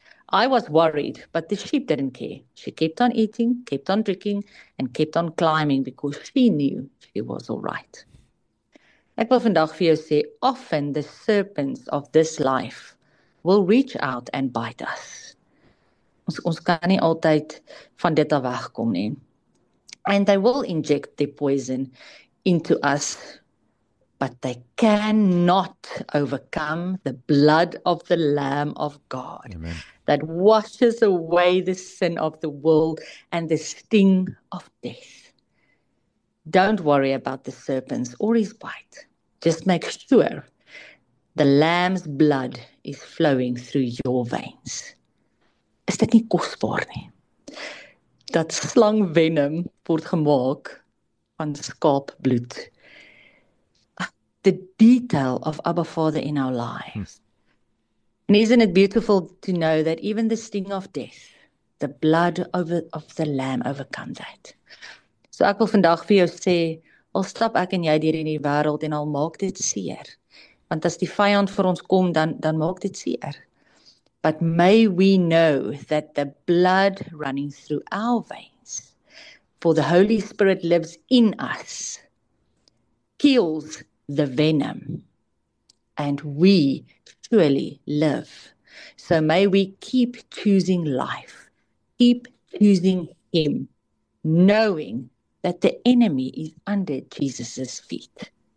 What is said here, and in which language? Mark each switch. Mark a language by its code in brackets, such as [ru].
[en] I was worried, but the sheep didn't care. She kept on eating, kept on drinking, and kept on climbing because she knew she was all right. [af] Ek wil vandag vir jou sê, [en] often the serpents of this life will reach out and bite us. [af] Ons kan nie altyd van dit af wegkom nie. [en] And they will inject the poison into us, but they cannot overcome the blood of the Lamb of God. Amen. That washes away the sin of the world and the sting of death. Don't worry about the serpents or his bite. Just make sure the lamb's blood is flowing through your veins. [af] Is dit nie kosbaar nie? Dat slangvenom word gemaak van skaapbloed. [en] The detail of Abba Father in our lives. And isn't it beautiful to know that even the sting of death, the blood of the lamb overcomes that. [af] So ek wil vandag vir jou sê, al stap ek en jy deur in die wêreld en al maak dit seer. Want as die vyand vir ons kom, dan maak dit seer. [en] But may we know that the blood running through our veins, for the Holy Spirit lives in us, kills the venom, and we truly live. So may we keep choosing life, keep choosing Him, knowing that the enemy is under Jesus's feet.